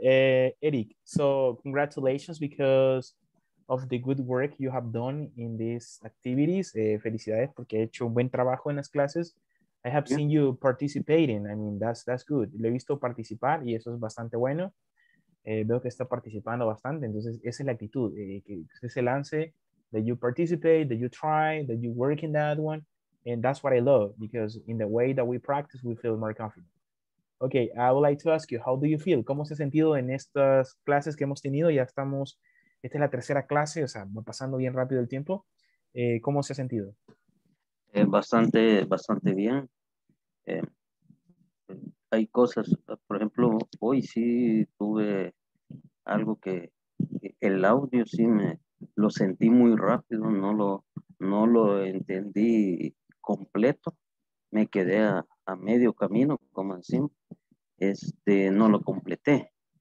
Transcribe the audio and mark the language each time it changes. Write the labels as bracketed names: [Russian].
[English] Eric, so congratulations because of the good work you have done in these activities. [Spanish] Felicidades porque he hecho un buen trabajo en las clases. [English] I have seen you participating. I mean, that's good. [Spanish] Le he visto participar y eso es bastante bueno. Veo que está participando bastante. Entonces, esa es la actitud. Que usted se lance, [English] that you participate, that you try, that you work in that one. And that's what I love, because in the way that we practice, we feel more confident. Okay, I would like to ask you, how do you feel? [Spanish] ¿Cómo se ha sentido en estas clases que hemos tenido? Ya estamos, esta es la tercera clase, o sea, va pasando bien rápido el tiempo. ¿Cómo se ha sentido? Bastante bien. Hay cosas, por ejemplo, hoy sí tuve algo que el audio sí me lo sentí muy rápido, no lo entendí completo, me quedé a medio camino, como decimos, no lo completé.